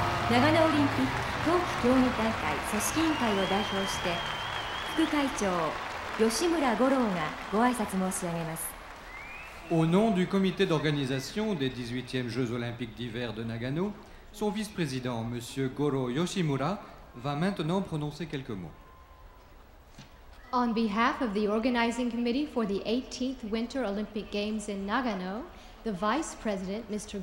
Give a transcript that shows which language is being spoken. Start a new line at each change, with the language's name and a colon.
Japanese: 長野オリンピック冬季競技大会組織委員会を代表して副会長吉村五郎がご挨拶申し上げます。
French: Au nom du comité d'organisation des 18e Jeux Olympiques d'hiver de Nagano, son vice-président, M. Goro Yoshimura, va maintenant prononcer quelques mots.
English: On behalf of the organizing committee for the 18th Winter Olympic Games in Nagano, the vice president, Mr.